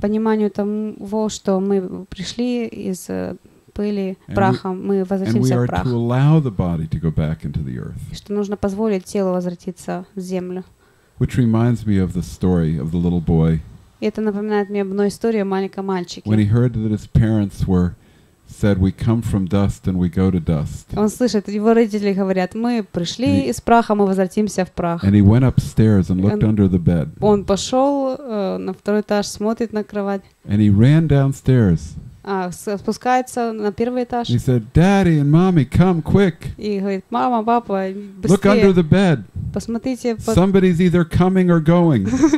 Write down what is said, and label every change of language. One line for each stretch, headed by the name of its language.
Russian: Пониманию того, что мы пришли из пыли, праха, мы возвращаемся в прах.
English: And we are to allow the body to go back into the earth.
Russian: Что нужно позволить телу возвратиться в землю.
English: Which reminds me of the story of the little boy.
Russian: И это напоминает мне одну историю о маленьком мальчике. Он слышит, его родители говорят, мы пришли из праха, мы возвратимся в прах.
English: And he went upstairs and looked under the bed.
Russian: Он пошел на второй этаж, смотрит на кровать.
English: And he ran downstairs.
Russian: спускается на первый этаж.
English: He said, "Daddy and mommy, come quick."
Russian: И говорит: "Мама, папа, быстрее."
English: Look under the bed.
Russian: Посмотрите.
English: Somebody's either coming or going.